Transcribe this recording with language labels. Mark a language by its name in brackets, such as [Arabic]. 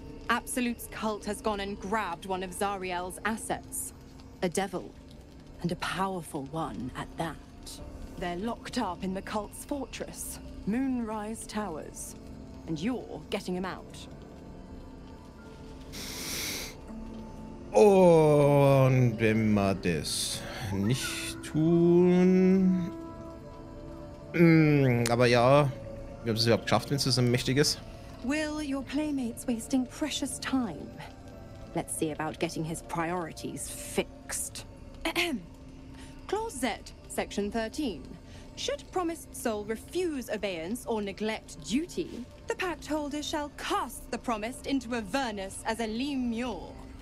[English] Absolute's cult has gone and grabbed one of Zariel's assets. A devil. And a powerful one at that. They're locked up in the cult's fortress, Moonrise Towers. And you're getting him out. [German] Und wenn wir das nicht tun. Aber ja, wir haben es überhaupt geschafft, wenn es so mächtig ist. [English] Will your playmates wasting precious time? Let's see about getting his priorities fixed. Clause Z, Section 13. Should promised soul refuse obeyance or neglect duty, the pact holder shall cast the promised into Avernus as a lemur.